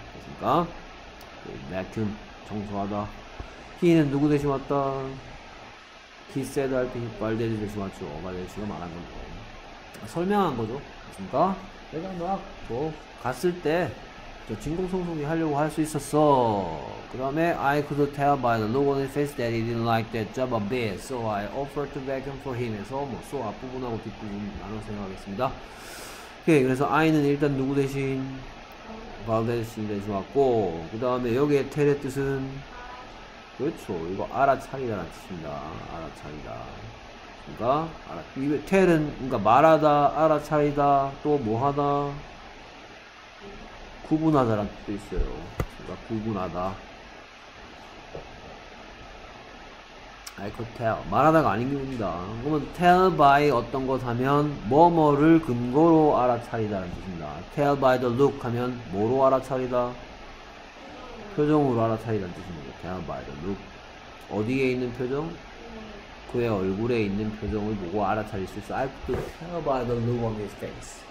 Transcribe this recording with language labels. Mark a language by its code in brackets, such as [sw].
[ko] 됐습니까? vacuum. 청소하다. he는 누구 대신 왔다? 기세드 할때 발대리 대신 왔죠. 발대리 씨가 말한 건데 설명한 거죠. 그니까 내가 막뭐 갔을 때저 진공청소기 하려고 할수 있었어. [en] 그 다음에 I could tell by the look on his face that he didn't like that job a bit, so I offered to vacuum for him. [ko] 해서 뭐 so 앞부분하고 뒷부분 나눠 생각하겠습니다. 오케이. 그래서 I는 일단 누구 대신 발대리 씨 대신 왔고, 그 다음에 여기에 텔의 뜻은 그렇죠. 이거 알아차리다라는 뜻입니다. 알아차리다. 그러니까 이게 tell은 그러니까 말하다, 알아차리다, 또 뭐하다, 구분하다라는 뜻도 있어요. 그러니까 구분하다. [en] I could tell. [ko] 말하다가 아닌 겁니다. 그러면 tell by 어떤 것 하면 뭐뭐를 근거로 알아차리다라는 뜻입니다. [en] tell by the look [ko] 하면 뭐로 알아차리다? 표정으로 알아차리다는 뜻입니다. [en] tell by the look. [ko] 어디에 있는 표정? 그의 얼굴에 있는 표정을 보고 알아차릴 수 있어. [en] I could tell by the look on his face.